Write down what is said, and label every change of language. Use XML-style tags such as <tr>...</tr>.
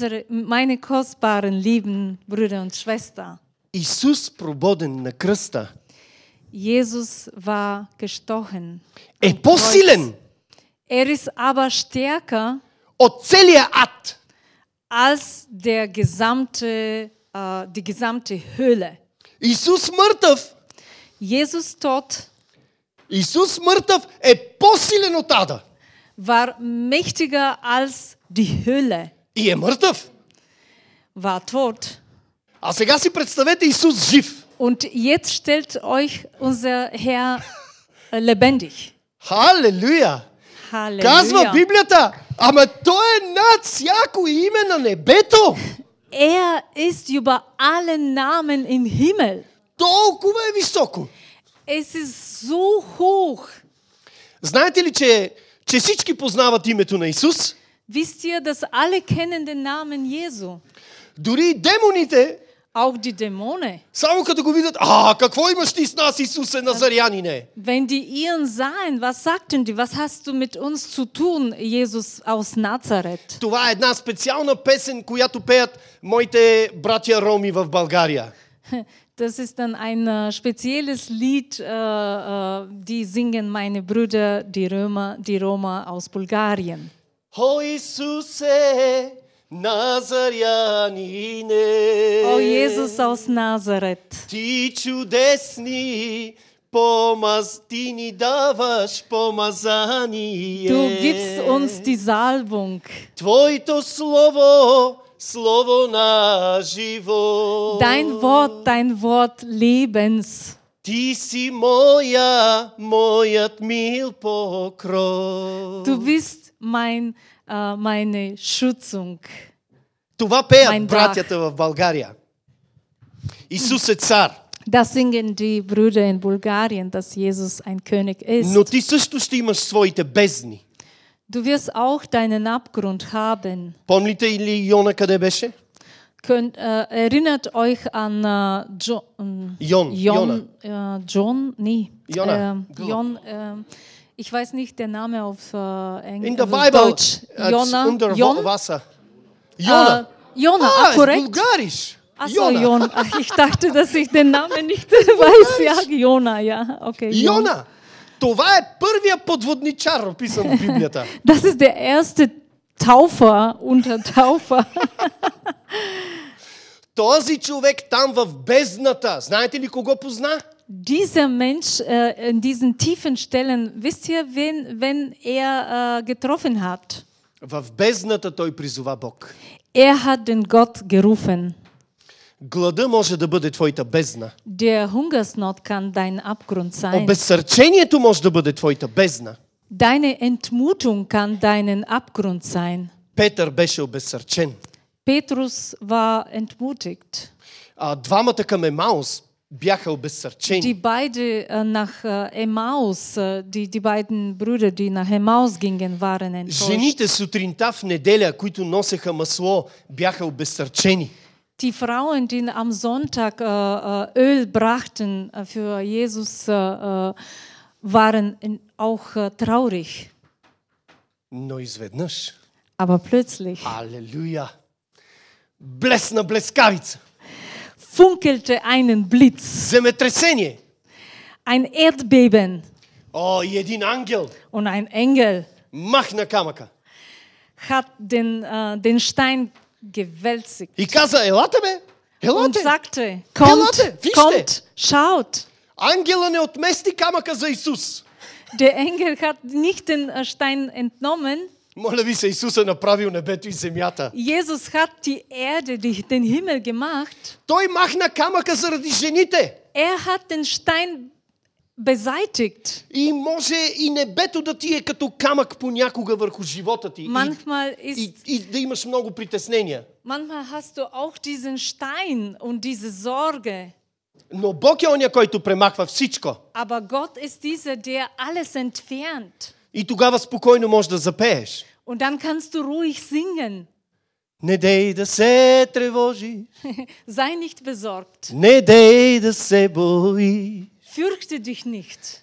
<de>Meine kostbaren lieben Brüder und Schwestern.</de> <bg>Исус прободен на кръста.</bg> <de>Jesus war gestochen.</de> <bg>Е по-силен.</bg> <de>Ist aber stärker</de> <bg>от целия ад.</bg> <de>Als der gesamte die gesamte Hölle.</de> <bg>Исус мъртъв.</bg> <de>Jesus tot.</de> <bg>Исус мъртъв е по-силен от ада.</bg> <de>War mächtiger als die Hölle.</de> <bg>И е мъртъв.</bg> <de>War tot.</de> <bg>А сега си представете Исус жив.</bg> <de>Und jetzt stellt euch unser Herr lebendig. Halleluja. Halleluja.</de> <bg>Казва Библията, ама той е над всяко име на небето.</bg> <de>Er ist über alle Namen im Himmel.</de> <bg>Толкова е високо.</bg> <de>Es ist so hoch.</de> <bg>Знаете ли, че всички познават името на Исус?</bg> <de>Wisst ihr, dass alle kennen den Namen Jesu?</de> <bg>Дори демоните.</bg> <de>Auch die Dämonen.</de> <bg>Само като го видят, а какво имаш ти с нас, Исусе Назарянине?</bg> <de>Wenn die ihn sahen, was sagten die? Was hast du mit uns zu tun, Jesus aus Nazareth?</de> <bg>Това е една специална песен, която пеят моите братя роми в България.</bg> <de>Das ist dann ein spezielles Lied, die singen meine Brüder, die Roma aus Bulgarien.</de> <bg>O Иисусе, Назарянине,</bg> <de>O Jesus aus Nazareth,</de> <bg>ти чудесни помаз, ти ни даваш помазание.</bg> <de>Du gibst uns die Salbung.</de> <bg>Твоето слово, слово на живо.</bg> <de>Dein Wort Lebens.</de> <bg>Ти си моя, моят мил покров.</bg> <de>Du bist meine Schützung.</de> <bg>Това пеят братята в България. Исус е цар.</bg> <de>Das singen die Brüder in Bulgarien, dass Jesus ein König ist.</de> <bg>Но ти също ще имаш своите бездни.</bg> <de>Du wirst auch deinen Abgrund haben.</de> <bg>Помните ли Йона къде беше?</bg> <de>Erinnert euch an Jon. Ich weiß nicht den Namen auf Englisch. In der Bible, Deutsch. Jona. Unter Jon? Wasser. Jona. Jona, ah, korrekt. Bulgarisch. Achso, Jona. Ich dachte, dass ich den Namen nicht weiß. Ja, Jona, ja. Okay. Jona.</de> <bg>Това е първият подводничар, описан в Библията.</bg> <de>Das ist der erste Taufer unter Taufer.</de> <bg>Този човек там в бездната, знаете ли кого позна?</bg> <de>Dieser Mensch in diesen tiefen Stellen, wisst ihr, wen er getroffen hat?</de> <bg>В бездната той призова Бог.</bg> <de>Er hat den Gott gerufen.</de> <bg>Глада може да бъде твоята бездна.</bg> <de>Der Hungersnot kann dein Abgrund sein.</de> <bg>Обезсърчението може да бъде твоята бездна.</bg> <de>Deine Entmutung kann deinen Abgrund sein.</de> <bg>Петър беше обезсърчен.</bg> <de>Petrus war entmutigt.</de> <bg>А двамата към Емаус бяха обезсърчени.</bg> <de>Die beide nach Emmaus, die beiden Brüder, die nach Emmaus gingen, waren enttäuscht.</de> <bg>Жените сутринта в неделя, които носеха масло, бяха обезсърчени.</bg> <de>Die Frauen, die am Sonntag Öl brachten für Jesus, waren auch traurig.</de> <bg>Но изведнъж.</bg> <de>Aber plötzlich.</de> <bg>Halleluja. Блесна блескавица.</bg> <de>Funkelte einen Blitz.</de> <bg>Земетресение.</bg> <de>Ein Erdbeben.</de> <bg>О, и един ангел.</bg> <de>Und ein Engel.</de> <bg>Махна камъка.</bg> <de>Hat den den Stein gewälzigt.</de> <bg>И каза: "Елате бе! Елате!"</bg> <de>Und sagte: "Kommt, kommt, schaut."</de> <bg>Ангелът не отмести камъка за Исус.</bg> <de>Der Engel hat nicht den Stein entnommen.</de> <bg>Моля ви се, Исус е направил небето и земята.</bg> <de>Jesus hat die Erde, den Himmel gemacht.</de> <bg>Той махна камъка заради жените.</bg> <de>Er hat den Stein beseitigt.</de> <bg>И може и небето да ти е като камък понякога върху живота ти.</bg> <de>Manchmal ist,</de> <bg>и да имаш много притеснения.</bg> <de>Manchmal hast du auch diesen Stein und diese Sorge.</de> <bg>Но Бог е оня, който премахва всичко.</bg> <de>Aber Gott ist dieser, der alles entfernt.</de> <bg>И тогава спокойно можеш да запееш.</bg> <de>Und dann kannst du ruhig singen.</de> <bg>Не дей да се тревожи.</bg> <de>Sei nicht besorgt.</de> <bg>Не дей да се бои.</bg> <de>Fürchte dich nicht.</de>